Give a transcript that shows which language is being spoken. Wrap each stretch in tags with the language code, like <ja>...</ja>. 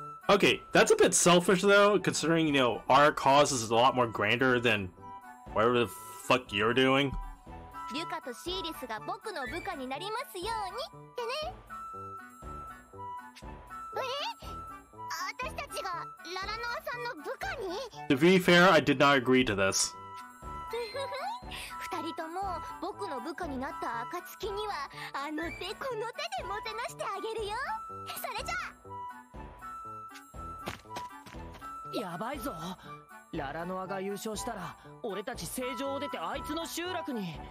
<en>Okay, that's a bit selfish though, considering, you know, our cause is a lot more grander than whatever the fuck you're doing.</en> <ja>リュカとシーリスが僕の部下になりますようにってね。え?私たちがララノアさんの部下に?</ja> <en>To be fair, I did not agree to this.</en> <ja>二人とも僕の部下になった暁にはあの手この手でもてなしてあげるよ。それじゃあ。やばいぞ、ララノアが優勝したら俺たち正常を出てあいつの集落に。</ja>